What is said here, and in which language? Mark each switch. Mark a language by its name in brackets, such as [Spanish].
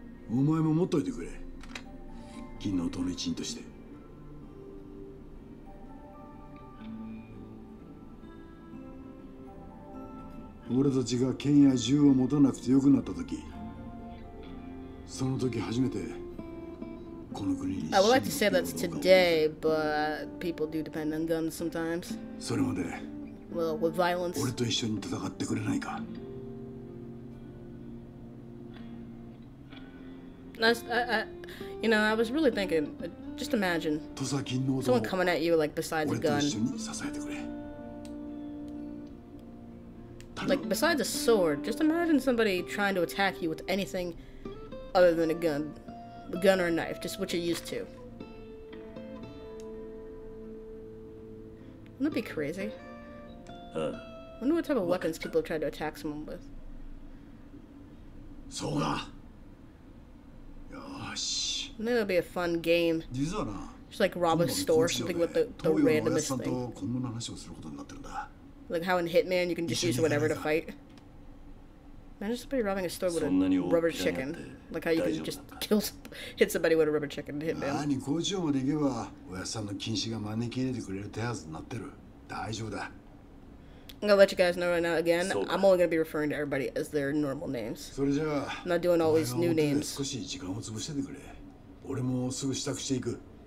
[Japanese] お前も持っといてくれ。金の音の一員として。俺たちが剣や銃を持たなくてよくなったとき、その時初めてこの国に死ぬ。 [English] I would like to say that's today, but people do depend on guns sometimes. [Japanese] それまで、 [English] well, with violence. [Japanese] 俺と一緒に戦ってくれないか。 [English] I was really thinking, just imagine someone coming at you like besides a gun. [Japanese] 俺と一緒に支えてくれ。 [English] Like, besides a sword, just imagine somebody trying to attack you with anything other than a gun or a knife, just what you're used to. Wouldn't that be crazy? I wonder what type of weapons people have tried to attack someone with. So, yes. I think it would be a fun game. Just like rob a store or something with the randomest thing. Like how in Hitman you can just use whatever to fight. Imagine somebody robbing a store with a rubber chicken. Like how you can just hit somebody with a rubber chicken in Hitman. [Japanese] 何工場まで行けばおやさんの禁止が招き入れてくれる手はずになってる。大丈夫だ。 [English] I'm gonna let you guys know right now again. I'm only gonna be referring to everybody as their normal names. [Japanese] それじゃあ、 [English] I'm not doing all these new names. [Japanese] 少し時間を潰しててくれ。俺もすぐ支度していく。